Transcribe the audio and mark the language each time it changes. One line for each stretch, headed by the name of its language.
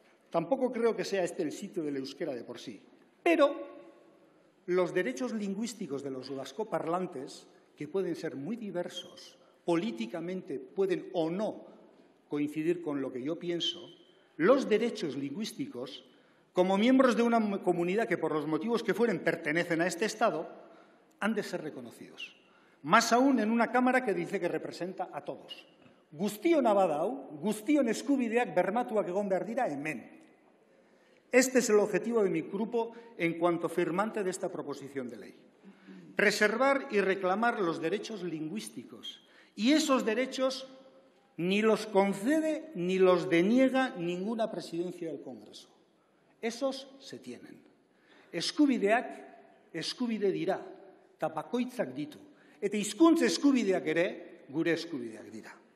Spanish: Tampoco creo que sea este el sitio del euskera de por sí. Pero los derechos lingüísticos de los vascoparlantes, que pueden ser muy diversos, políticamente pueden o no coincidir con lo que yo pienso, los derechos lingüísticos, como miembros de una comunidad que por los motivos que fueren pertenecen a este Estado, han de ser reconocidos. Más aún en una Cámara que dice que representa a todos.
Basque: Guztion abadau, guztion eskubideak bermatuak egon behar dira hemen.
Spanish: Este es el objetivo de mi grupo en cuanto firmante de esta proposición de ley. Preservar y reclamar los derechos lingüísticos. Y esos derechos ni los concede ni los deniega ninguna presidencia del Congreso. Esos se tienen.
Basque: Eskubideak eskubide dira, eta bakoitzak ditu. Eta hizkuntz eskubideak ere gure eskubideak dira.